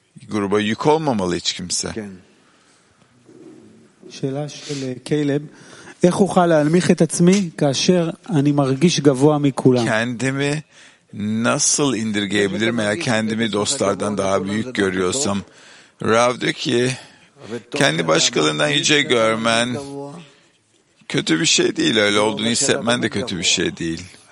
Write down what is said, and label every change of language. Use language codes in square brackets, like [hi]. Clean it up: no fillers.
[tr] Gruba yük olmamalı hiç kimse. [he] שאלה של קיילב, איך אוכל להנמיך את עצמי כאשר אני מרגיש גבוה מכולם? [tr] Kendimi nasıl indirgeyebilirim eğer kendimi dostlardan daha büyük görüyorsam? Rav diyor ki, kendi başkalarından yüce görmen kötü bir şey değil, öyle olduğunu hissetmen de kötü bir şey değil.